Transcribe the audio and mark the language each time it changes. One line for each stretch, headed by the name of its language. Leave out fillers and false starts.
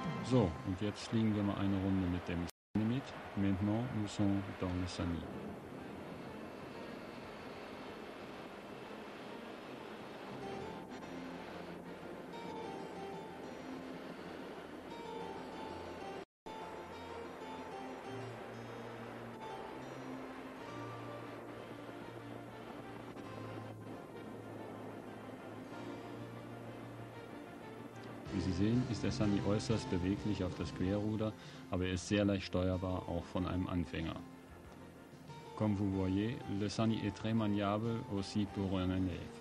German: So, und jetzt fliegen wir mal eine Runde mit dem Sunny mit.
French: Maintenant, nous sommes dans le Sunny.
German: Wie Sie sehen, ist der Sunny äußerst beweglich auf das Querruder, aber er ist sehr leicht steuerbar, auch von einem Anfänger.
French: Comme vous voyez, le Sunny est très maniable aussi pour un élève.